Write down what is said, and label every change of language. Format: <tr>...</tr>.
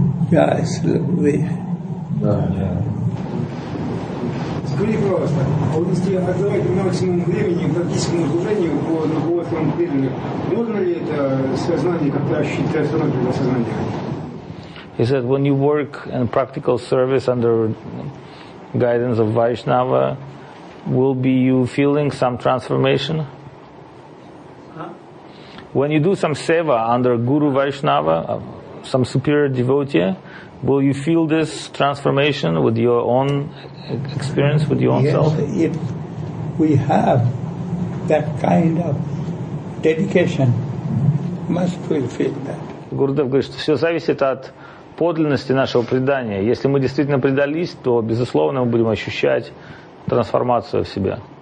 <ru>Да, если вы... Скажи просто, вот если отдавать максимум времени практическому служению по духовному преданию, можно ли это сознание как-то ощутить, трансформировать это сознание?</ru> <en>He said, when you work in practical service under guidance of Vaishnava, will be you feeling some transformation? Huh? When you do some seva under Guru Vaishnava, some superior devotee, will you feel this transformation with your own experience, with your own self? If we have that kind of dedication, must we feel that?</en> <ru>Gurudev говорит, что все зависит от подлинности нашего предания. Если мы действительно предались, то, безусловно, мы будем ощущать трансформацию в себе.</ru>